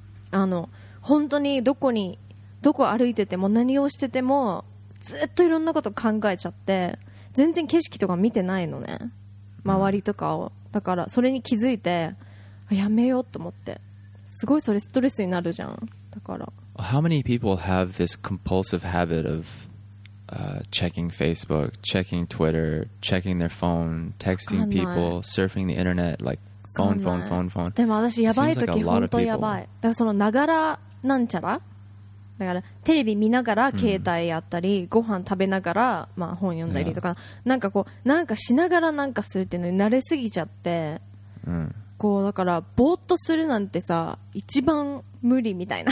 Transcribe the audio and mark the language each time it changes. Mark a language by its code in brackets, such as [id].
[ja] あの、本当にどこに、どこ歩いてても何をしてても、ずっといろんなこと考えちゃって、全然景色とか見てないのね。周りとかを。うん、だからそれに気づいて、やめようと思って。すごいそれストレスになるじゃん。だから。 [en] How many people have this compulsive habit of checking Facebook, checking Twitter, checking their phone, texting people, surfing the internet, like phone, phone, phone, phone? [ja] でも私やばい時、like、本当やばい。だからそのながらなんちゃら、だからテレビ見ながら携帯やったり、mm-hmm. ご飯食べながらまあ本読んだりとか、yeah. なんかこうなんかしながらなんかするっていうのに慣れすぎちゃって、 mm-hmm. こうだからぼーっとするなんてさ一番無理みたいな。